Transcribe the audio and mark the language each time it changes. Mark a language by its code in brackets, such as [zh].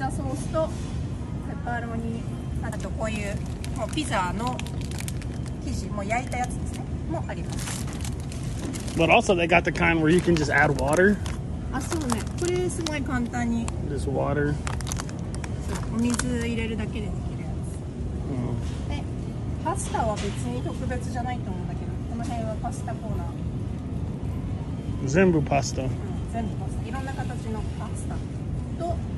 [ja] ッフ。ピザソースとペパロニ、あとこういうもうピザの生地、もう焼いたやつですね、もあります。 [en] But also they got the kind where you can just add water. [ja] あ、そうね。これすごい簡単に。 [en] Just water. [ja] お水入れるだけでできるやつ。で、パスタは別に特別じゃないと思う。この辺はパスタコーナー。全部パスタ、うん、全部パスタ、いろんな形のパスタと、